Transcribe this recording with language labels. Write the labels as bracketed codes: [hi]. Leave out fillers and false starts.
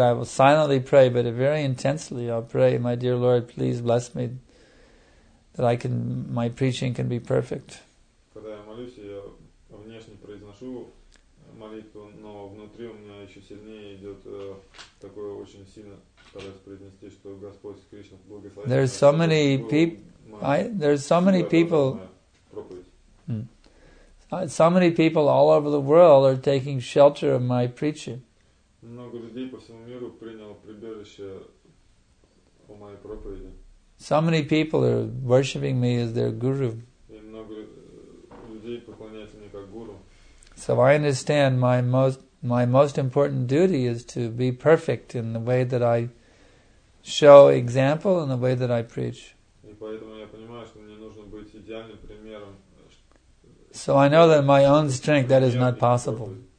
[en] I will silently pray, but very intensely I'll pray, my dear Lord, please bless me. that I can, my preaching can be perfect. [ru] Когда я молюсь, я внешне произношу молитву, но внутри у меня еще сильнее идет такое очень сильно стараюсь произнести, что Господь Кришна благословит. [en] There's so many people. So many people all over the world are taking shelter of my preaching. [ru] Много людей по всему миру приняло прибежище у моей проповеди. [en] So many people are worshiping me as their guru. [ru] И много людей поклоняются мне как гуру. [en] So I understand my most important duty is to be perfect in the way that I show example and the way that I preach. [ru] И поэтому я понимаю, что мне нужно быть идеальным примером. [en] So I know that in my own strength that is not possible.